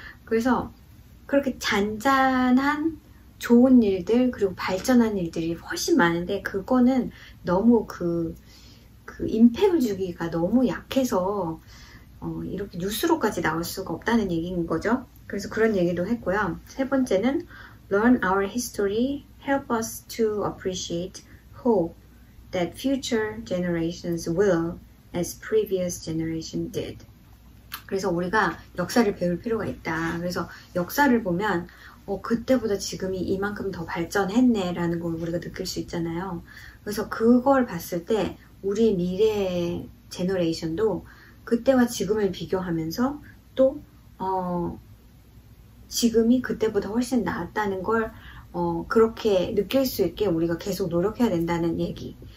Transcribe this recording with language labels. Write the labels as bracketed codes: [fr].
[ko] 그래서 그렇게 잔잔한 좋은 일들, 그리고 발전한 일들이 훨씬 많은데, 그거는 너무 그 임팩을 주기가 너무 약해서, 이렇게 뉴스로까지 나올 수가 없다는 얘기인 거죠. 그래서 그런 얘기도 했고요. [en] 세 번째는, Learn our history, help us to appreciate hope that future generations will, as previous generation did. [ko] 그래서 우리가 역사를 배울 필요가 있다. 그래서 역사를 보면, 그때보다 지금이 이만큼 더 발전했네라는 걸 우리가 느낄 수 있잖아요. 그래서 그걸 봤을 때 우리 미래의 제너레이션도 그때와 지금을 비교하면서 또 지금이 그때보다 훨씬 나았다는 걸 그렇게 느낄 수 있게 우리가 계속 노력해야 된다는 얘기.